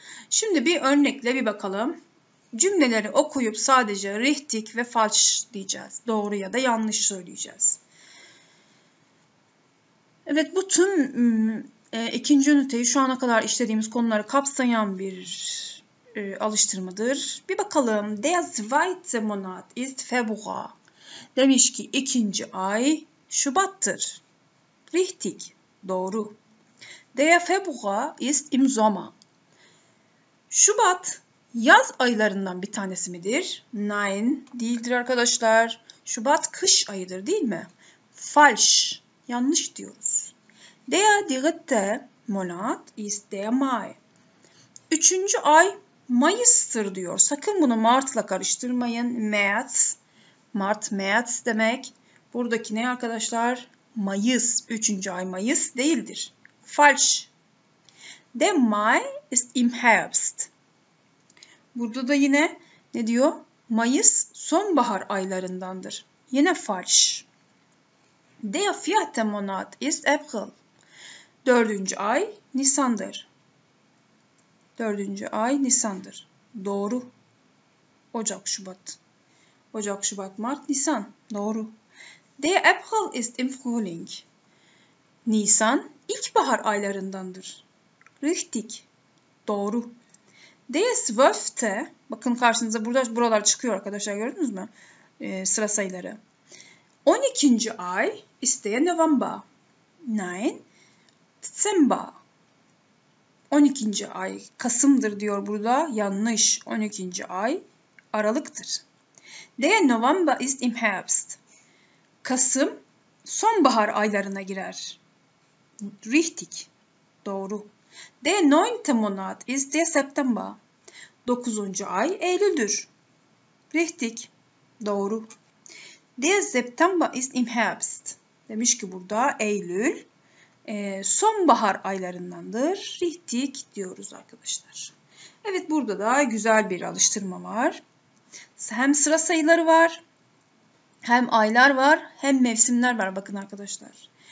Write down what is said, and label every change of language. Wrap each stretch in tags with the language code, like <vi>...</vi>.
<tr>Şimdi bir örnekle bir bakalım. Cümleleri okuyup sadece richtig ve falsch diyeceğiz. Doğru ya da yanlış söyleyeceğiz. Evet, bu tüm ikinci üniteyi şu ana kadar işlediğimiz konuları kapsayan bir alıştırmadır. Bir bakalım.</tr> <de>Der zweite Monat ist Februar.</de> <tr>Demiş ki ikinci ay Şubat'tır. Richtig. Doğru.</tr> <de>Der Februar ist im Sommer.</de> <tr>Şubat yaz aylarından bir tanesi midir? Nein, değildir arkadaşlar. Şubat kış ayıdır, değil mi? Falsch, yanlış diyoruz.</tr> <de>Der dritte Monat ist der Mai.</de> <tr>Üçüncü ay Mayıs'tır diyor. Sakın bunu Mart'la karıştırmayın. März, Mart, März demek. Buradaki ne arkadaşlar? Mayıs, üçüncü ay Mayıs değildir. Falsch.</tr> <de>Der Mai ist im Herbst.</de> <tr>Burada da yine ne diyor? Mayıs sonbahar aylarındandır. Yine falsch.</tr> <de>Der vierte Monat ist April.</de> <tr>Dördüncü ay Nisan'dır. Dördüncü ay Nisan'dır. Doğru. Ocak, Şubat. Ocak, Şubat, Mart, Nisan. Doğru.</tr> <de>Der April ist im Frühling.</de> <tr>Nisan ilkbahar aylarındandır. Richtig. Doğru.</tr> <de>Der zwölfte,</de> <tr>bakın karşınıza burada buralar çıkıyor arkadaşlar, gördünüz mü? Sıra sayıları. 12. ay</tr> <de>ist der November. Nein, Dezember. 12.</de> <tr>ay Kasım'dır diyor burada. Yanlış. 12. ay Aralık'tır.</tr> <de>Der November ist im Herbst.</de> <tr>Kasım sonbahar aylarına girer. Richtig. Doğru.</tr> <de>Der neunte Monat ist der September.</de> <tr>9. ay Eylül'dür. Richtig. Doğru.</tr> <de>Der September ist im Herbst.</de> <tr>Demiş ki burada Eylül sonbahar aylarındandır. Richtig diyoruz arkadaşlar. Evet, burada da güzel bir alıştırma var. Hem sıra sayıları var, hem aylar var, hem mevsimler var. Bakın arkadaşlar.</tr>